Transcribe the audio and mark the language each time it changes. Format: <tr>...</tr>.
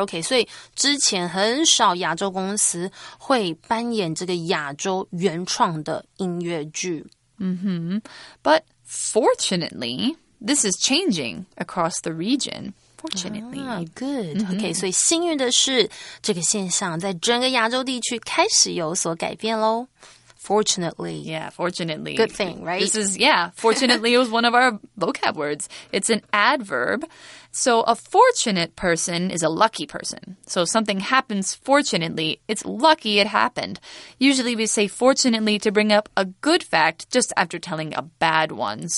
<zh>Okay, 所以之前很少亚洲公司会扮演这个亚洲原创的音乐剧。</zh> <en>But fortunately, this is changing across the region. Fortunately. Good. Okay, mm-hmm.</en> <zh>所以幸运的是这个现象在整个亚洲地区开始有所改变咯。</zh> <en>Fortunately. Yeah, fortunately. Good thing, right? This is, yeah, fortunately it was one of our vocab words. It's an adverb. So a fortunate person is a lucky person. So if something happens fortunately, it's lucky it happened. Usually we say fortunately to bring up a good fact just after telling a bad one.</en>